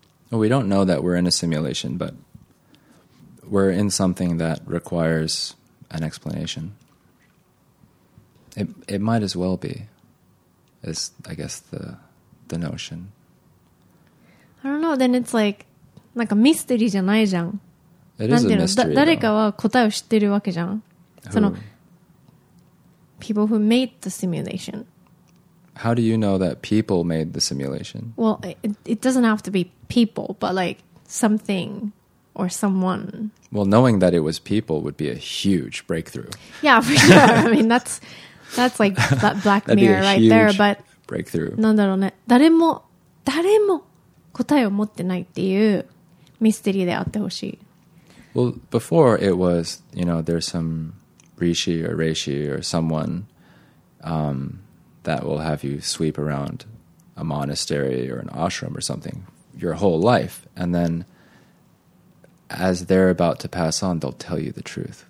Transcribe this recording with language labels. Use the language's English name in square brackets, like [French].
[English] Well, we don't know that we're in a simulation, but we're in something that requires an explanation. It might as well be, is I guess the notion. I don't know, then it's like a mystery [Japanese] じゃないじゃん. 誰かは答えを知ってるわけじゃん。その、 [English] people who made the simulation. How do you know that people made the simulation? Well, it doesn't have to be people, but like something or someone. Well, knowing that it was people would be a huge breakthrough. Yeah, for sure. I mean, that's like that Black Mirror right there. But breakthrough. [Japanese] なんだろうね。誰も答えを持ってないっていうミステリーであってほしい。 [English] Well, before it was, you know, there's some rishi or reishi or someone that will have you sweep around a monastery or an ashram or something your whole life. And then as they're about to pass on, they'll tell you the truth.